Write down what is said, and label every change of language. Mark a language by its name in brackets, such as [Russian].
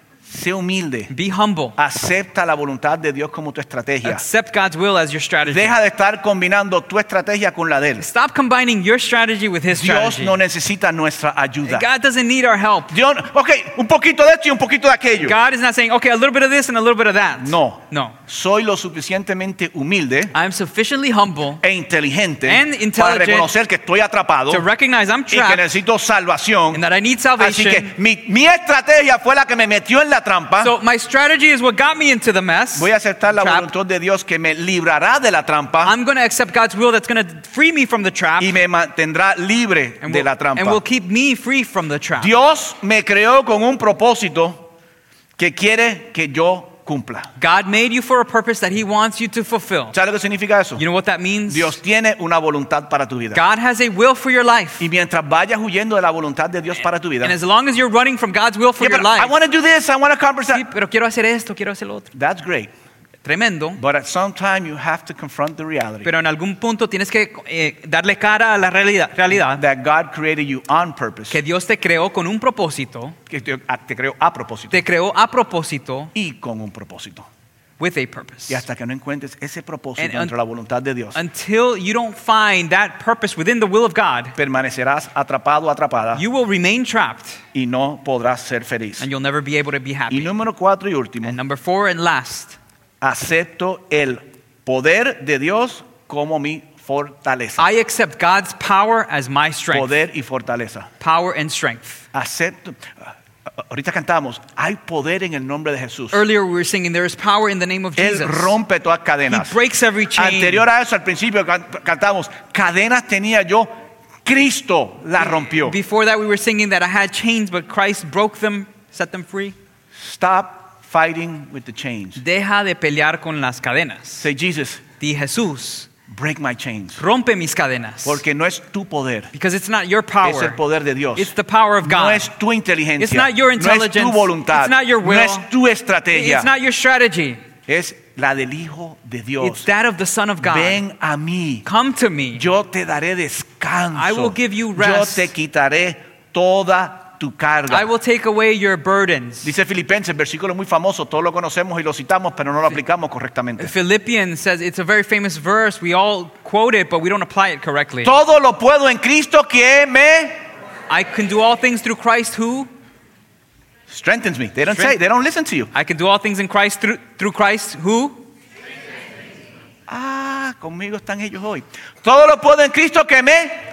[Spanish] Sé humilde. [English] Be humble. [Spanish] Acepta la voluntad de Dios como tu estrategia. [English] Accept God's will as your strategy. [Spanish] Deja de estar combinando tu estrategia con la de él. [English] Stop combining your strategy with his strategy. [Spanish] Dios no necesita nuestra ayuda. [English] God doesn't need our help. [Spanish] Dios, okay, un poquito de esto y un poquito de aquello. [English] God is not saying, okay, a little bit of this and a little bit of that. [Spanish] No. [English] No. [Spanish] Soy lo suficientemente humilde. [English] I'm sufficiently humble. [Spanish] E inteligente. [English] And intelligent. [Spanish] Para reconocer que estoy atrapado. [English] To recognize I'm trapped. [Spanish] Y que necesito salvación. [English] And that I need salvation. [Spanish] Así que mi estrategia fue la que me metió en la trampa. [English] So my strategy is what got me into the mess. [Spanish] Voy a aceptar la voluntad de Dios que me librará de la trampa. [English] I'm going to accept God's will that's going to free me from the trap. [Spanish] Y me mantendrá libre de la trampa. [English] And will keep me free from the trap. [Spanish] Dios me creó con un propósito que quiere que yo cumpla. [English] God made you for a purpose that he wants you to fulfill. [Spanish] ¿Sabes lo que significa eso? [English] You know what that means? [Spanish] Dios tiene una voluntad para tu vida. [English] God has a will for your life. [Spanish] Y mientras vayas huyendo de la voluntad de Dios para tu vida. [English] And as long as you're running from God's will for yeah, your life. I want to do this, I want to accomplish that. [Spanish] Sí, pero quiero hacer esto, quiero hacer lo otro. [English] That's great. [Spanish] Tremendo. [English] But at some time you have to confront the reality. [Spanish] Pero en algún punto tienes que darle cara a la realidad. [English] That God created you on purpose. [Spanish] Que Dios te creó con un propósito. Que te creó a propósito. Te creó a propósito. Y con un propósito. [English] With a purpose. [Spanish] Y hasta que no encuentres ese propósito dentro de la voluntad de Dios. [English] Until you don't find that purpose within the will of God. [Spanish] Permanecerás atrapado o atrapada. [English] You will remain trapped. [Spanish] Y no podrás ser feliz. [English] And you'll never be able to be happy. [Spanish] Y número cuatro y último. [English] And number four and last. [Spanish] Acepto el poder de Dios como mi fortaleza. [English] I accept God's power as my strength. [Spanish] Poder y fortaleza. [English] Power and strength. [Spanish] Acepto. Ahorita cantamos, hay poder en el nombre de Jesús. [English] Earlier we were singing, there is power in the name of Jesus. [Spanish] Él rompe todas cadenas. [English] He breaks every chain. [Spanish] Anterior a eso, al principio cantamos, cadenas tenía yo, Cristo la rompió. [English] Before that we were singing that I had chains, but Christ broke them, set them free. Stop fighting with the chains. [Spanish] Deja de pelear con las cadenas. [English] Say Jesus. [Spanish] Di Jesús. [English] Break my chains. [Spanish] Rompe mis cadenas. Porque no es tu poder. [English] Because it's not your power. [Spanish] Es el poder de Dios. [English] It's the power of God. [Spanish] No es tu inteligencia. [English] It's not your intelligence. [Spanish] No es tu voluntad. [English] It's not your will. [Spanish] No es tu estrategia. [English] It's not your strategy. [Spanish] Es la del Hijo de Dios. [English] It's that of the Son of God. [Spanish] Ven a mí. [English] Come to me. [Spanish] Yo te daré descanso. [English] I will give you rest. [Spanish] Yo te quitaré toda tu carga. [English] I will take away your burdens. [Spanish] Dice Filipenses, versículo muy famoso, todos lo conocemos y lo citamos, pero no lo aplicamos correctamente. [English] Philippians says it's a very famous verse. We all quote it, but we don't apply it correctly. [Spanish] Todo lo puedo en Cristo que me. [English] I can do all things through Christ who strengthens me. They don't say. They don't listen to you. I can do all things in Christ through Christ who. [Spanish] Ah, conmigo están ellos hoy. Todo lo puedo en Cristo que me.